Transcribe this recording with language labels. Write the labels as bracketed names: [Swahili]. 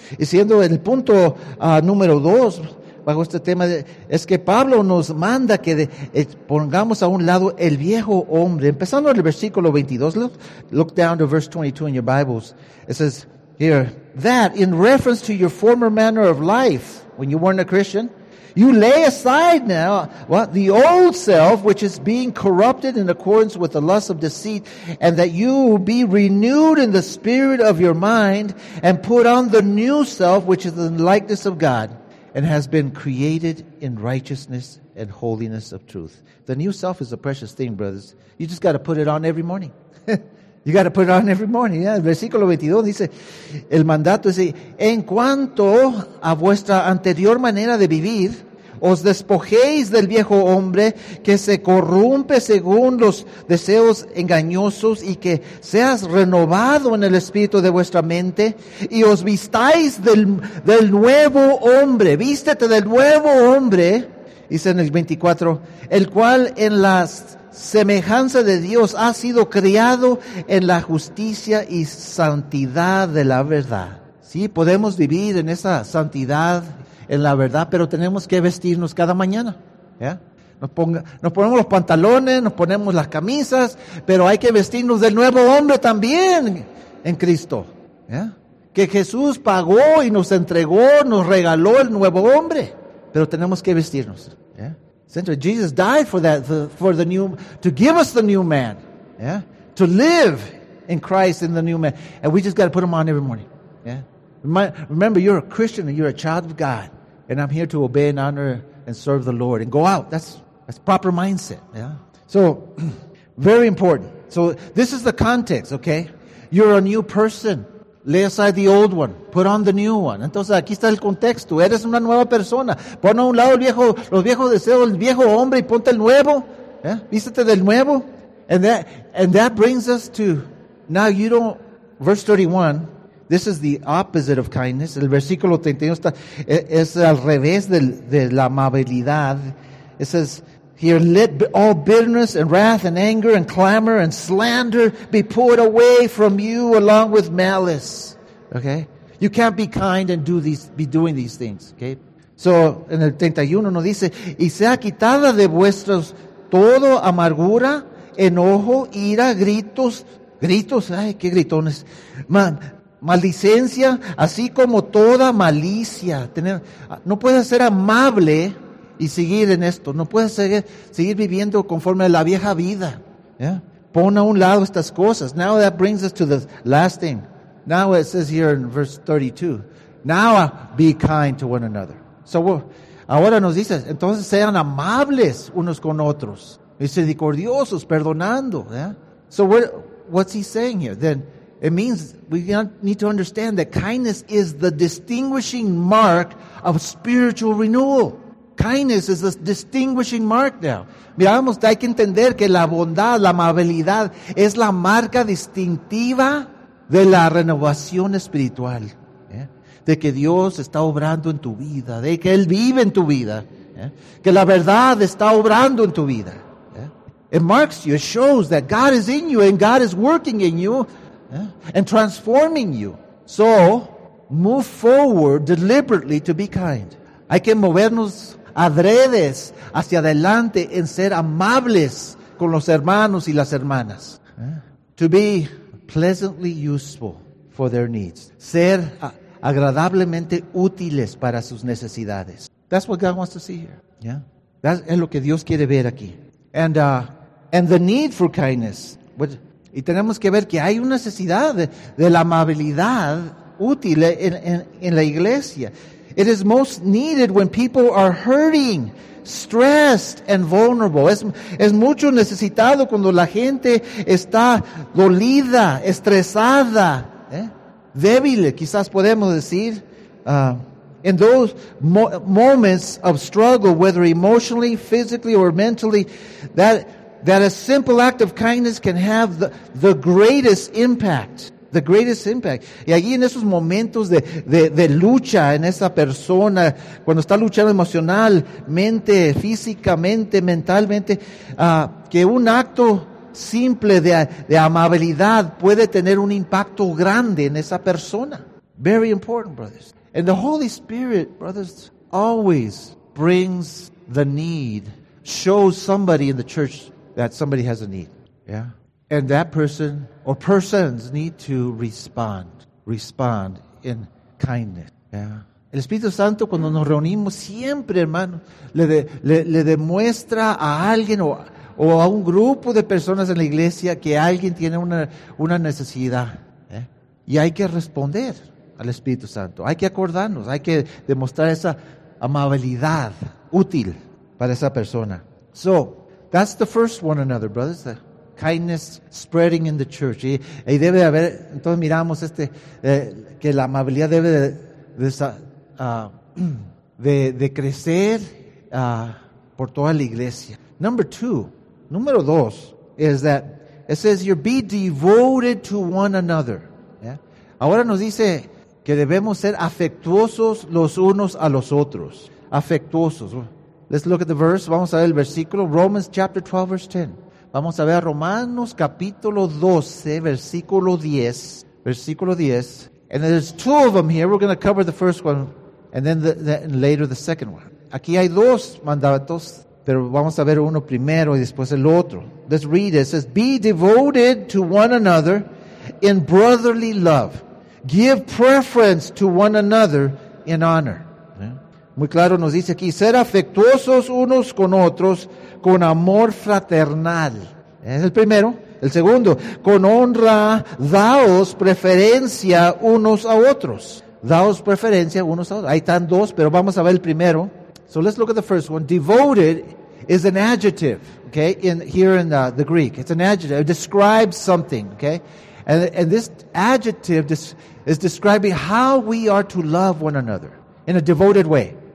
[Spanish] Y siendo el punto número dos bajo este tema, es que Pablo nos manda que pongamos a un lado el viejo hombre. Empezando en el versículo 22, [English] look down to verse 22 in your Bibles. It says here, that in reference to your former manner of life, when you weren't a Christian. You lay aside now what the old self, which is being corrupted in accordance with the lust of deceit, and that you be renewed in the spirit of your mind and put on the new self, which is in the likeness of God and has been created in righteousness and holiness of truth. The new self is a precious thing, brothers. You just got to put it on every morning. You got to put it on every morning. Yeah. [Spanish] Versículo 22 dice, el mandato dice, en cuanto a vuestra anterior manera de vivir, os despojéis del viejo hombre que se corrompe según los deseos engañosos y que seas renovado en el espíritu de vuestra mente y os vistáis del nuevo hombre. Vístete del nuevo hombre, dice en el 24, el cual en las semejanza de Dios ha sido creado en la justicia y santidad de la verdad. Sí, podemos vivir en esa santidad, en la verdad, pero tenemos que vestirnos cada mañana. ¿Ya? Nos ponemos los pantalones, nos ponemos las camisas, pero hay que vestirnos del nuevo hombre también en Cristo. ¿Ya? Que Jesús pagó y nos entregó, nos regaló el nuevo hombre, pero tenemos que vestirnos. [English] Jesus died for that, for the new, to give us the new man, yeah, to live in Christ in the new man, and we just got to put him on every morning, yeah. Remember, you're a Christian and you're a child of God, and I'm here to obey and honor and serve the Lord and go out. That's proper mindset, yeah. So, very important. So this is the context, okay? You're a new person. Lay aside the old one. Put on the new one. [Spanish] Entonces, aquí está el contexto. Eres una nueva persona. Pon a un lado el viejo, los viejos deseos, el viejo hombre, y ponte el nuevo. ¿Eh? Vístete del nuevo. [English] And that brings us to, now you don't, verse 31, this is the opposite of kindness. [Spanish] El versículo 31 está, es al revés de la amabilidad. [English] It says, here, let all bitterness and wrath and anger and clamor and slander be put away from you along with malice. Okay? You can't be kind and be doing these things. Okay? [Spanish] So, en el 31 nos dice, y sea quitada de vuestros todo amargura, enojo, ira, gritos, ay, qué gritones, maldicencia, así como toda malicia. No puedes ser amable y seguir en esto. No puedes seguir viviendo conforme a la vieja vida. Yeah? Pon a un lado estas cosas. [English] Now that brings us to the last thing. Now it says here in verse 32. Now be kind to one another. [Spanish] So ahora nos dice, entonces sean amables unos con otros. Misericordiosos, perdonando. [English] Yeah? So what's he saying here? Then it means we need to understand that kindness is the distinguishing mark of spiritual renewal. Kindness is a distinguishing mark now. [Spanish] Miramos, hay que entender que la bondad, la amabilidad, es la marca distintiva de la renovación espiritual. Yeah? De que Dios está obrando en tu vida, de que Él vive en tu vida. Yeah? Que la verdad está obrando en tu vida. [English] Yeah? It marks you, it shows that God is in you and God is working in you, yeah? And transforming you. So, move forward deliberately to be kind. [Spanish] Hay que movernos adredes hacia adelante en ser amables con los hermanos y las hermanas. [English] To be pleasantly useful for their needs. [Spanish] Ser agradablemente útiles para sus necesidades. [English] That's what God wants to see here. Yeah. That [Spanish] es lo que Dios quiere ver aquí. [English] And the need for kindness. [Spanish] Y tenemos que ver que hay una necesidad de la amabilidad útil en la iglesia. [English] It is most needed when people are hurting, stressed, and vulnerable. [Spanish] Es mucho necesitado cuando la gente está dolida, estresada, débil, quizás podemos decir. [English] In those moments of struggle, whether emotionally, physically, or mentally, that a simple act of kindness can have the greatest impact. The greatest impact. [Spanish] Y allí en esos momentos de lucha en esa persona, cuando está luchando emocionalmente, físicamente, mentalmente, que un acto simple de amabilidad puede tener un impacto grande en esa persona. [English] Very important, brothers. And the Holy Spirit, brothers, always brings the need, shows somebody in the church that somebody has a need. Yeah. And that person or persons need to respond in kindness. Yeah. [Spanish] El Espíritu Santo, cuando nos reunimos, siempre, hermano, le demuestra a alguien o a un grupo de personas en la iglesia que alguien tiene una necesidad, ¿eh? Y hay que responder al Espíritu Santo. Hay que acordarnos, hay que demostrar esa amabilidad útil para esa persona. [English] So, that's the first one another, brothers. The kindness spreading in the church. [Spanish] Y debe de haber, entonces miramos que la amabilidad debe de crecer por toda la iglesia. Número dos, [English] is that it says you be devoted to one another. ¿Yeah? [Spanish] Ahora nos dice que debemos ser afectuosos los unos a los otros. Afectuosos. [English] Let's look at the verse. [Spanish] Vamos a ver el versículo. [English] Romans chapter 12, verse 10. [Spanish] Vamos a ver a Romanos capítulo 12, versículo 10. Versículo 10. [English] And there's two of them here. We're going to cover the first one and then and later the second one. [Spanish] Aquí hay dos mandatos, pero vamos a ver uno primero y después el otro. [English] Let's read it. It says, be devoted to one another in brotherly love. Give preference to one another in honor. [Spanish] Muy claro nos dice aquí, ser afectuosos unos con otros con amor fraternal. Es el primero. El segundo, con honra, daos preferencia unos a otros. Daos preferencia unos a otros. Ahí están dos, pero vamos a ver el primero. [English] So let's look at the first one. Devoted is an adjective, okay, here in the Greek. It's an adjective. It describes something, okay? And this adjective is describing how we are to love one another in a devoted way.